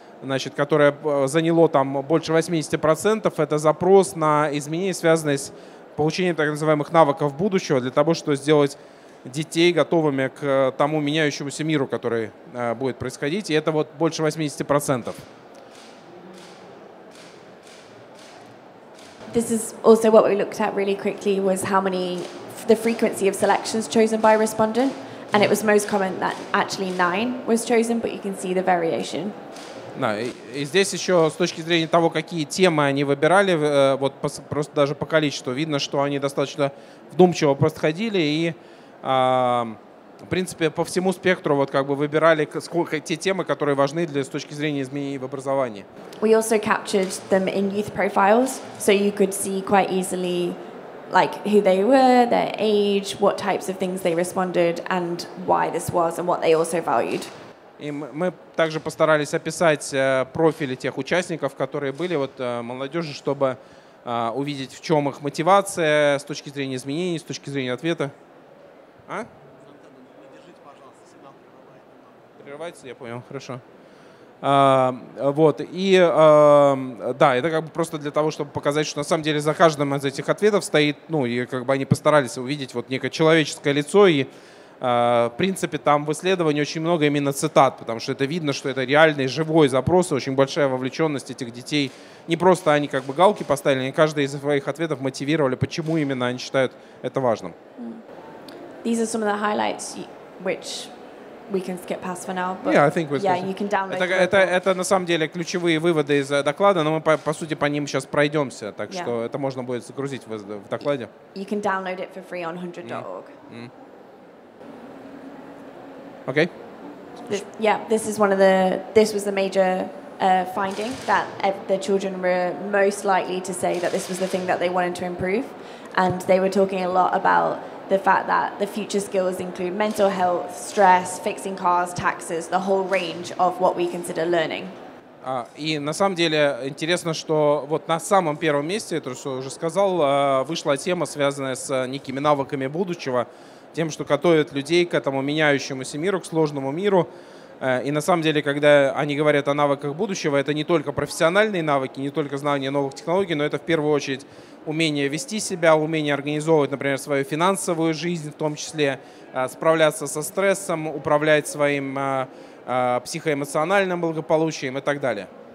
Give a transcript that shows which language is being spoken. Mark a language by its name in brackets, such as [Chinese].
[Russian] Значит, которое заняло там больше 80%, это запрос на изменения, связанные с получением так называемых навыков будущего, для того, чтобы сделать детей готовыми к тому меняющемуся миру, который будет происходить. И это вот больше 80%. [English] This is also what we looked at really quickly was how many the frequency of selections chosen by respondent. And it was most common that actually 9 was chosen, but you can see the variation. [Russian] Да, и здесь еще с точки зрения того, какие темы они выбирали, вот просто даже по количеству, видно, что они достаточно вдумчиво проходили и, в принципе, по всему спектру вот как бы выбирали те темы, которые важны для, с точки зрения изменений в образовании. [English] We also captured them in youth profiles, so you could see quite easily like who they were, their age, what types of things they responded, and why this was, and what they also valued. [Russian] И мы также постарались описать профили тех участников, которые были вот молодежи, чтобы увидеть, в чем их мотивация с точки зрения изменений, с точки зрения ответа. А? Надержите, пожалуйста, сигнал прерывается. Прерывается, я понял, хорошо. Вот, и да, это как бы просто для того, чтобы показать, что на самом деле за каждым из этих ответов стоит, ну, и как бы они постарались увидеть вот некое человеческое лицо и... В принципе, там в исследовании очень много именно цитат, потому что это видно, что это реальный живой запрос, и очень большая вовлеченность этих детей. Не просто они как бы галки поставили, они каждый из своих ответов мотивировали, почему именно они считают это важным. [English] These are some of the highlights, which we can skip past for now. But yeah, I think we're yeah, you can download. [Russian] Это на самом деле ключевые выводы из доклада, но мы по сути по ним сейчас пройдемся, так что это можно будет загрузить в докладе. [English] You can download it for free on 100.org. Okay. This was the major finding that the children were most likely to say that this was the thing that they wanted to improve, and they were talking a lot about the fact that the future skills include mental health, stress, fixing cars, taxes, the whole range of what we consider learning. [Russian] И на самом деле интересно, что вот на самом первом месте, то что уже сказал, вышла тема, связанная с некими навыками будущего. Тем, что готовят людей к этому меняющемуся миру, к сложному миру. И на самом деле, когда они говорят о навыках будущего, это не только профессиональные навыки, не только знание новых технологий, но это в первую очередь умение вести себя, умение организовывать, например, свою финансовую жизнь, в том числе справляться со стрессом, управлять своим психоэмоциональным благополучием и так далее.